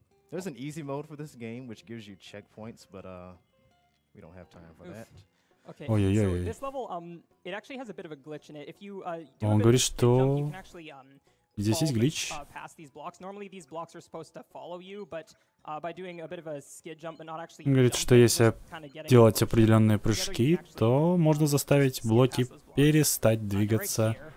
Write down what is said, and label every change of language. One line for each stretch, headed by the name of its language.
English: There's an easy mode for this game, which gives you checkpoints, but we don't have time for that. Okay. Ой, ой, ой. So this level, it actually has a bit of a glitch in it. If you
Russian: Он говорит, что здесь есть глич.
English: Past these blocks. Normally these blocks are supposed to follow you, but by doing a bit of a skid jump, but not actually.
Russian: Он говорит, что если делать определенные прыжки, то можно заставить блоки перестать двигаться.